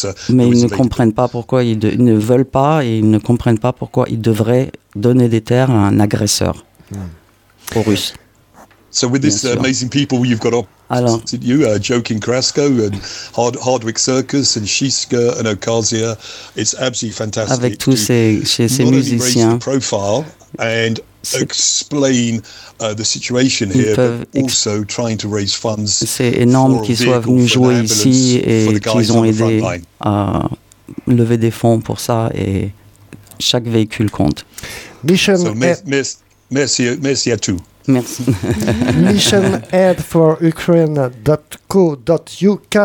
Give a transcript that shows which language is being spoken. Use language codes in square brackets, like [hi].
[fr] Mais ils ne comprennent pas pourquoi ils ne veulent pas et ils ne comprennent pas pourquoi ils devraient donner des terres à un agresseur, aux Russes. [en] So with this amazing people you've got up. [fr] Alors, [en] you, Joking Carrasco and Hardwick Circus and Shishka and Ocasia, it's absolutely fantastic. [fr] Avec tous ces musiciens, [en] profile and explain the situation here, but also trying to raise funds. [fr] C'est énorme qu'ils soient venus jouer ici et qu'ils ont aidé à lever des fonds pour ça, et chaque véhicule compte. [en] Mission. [fr] So merci à tous. Merci. [en] missionaidforukraine.co.uk.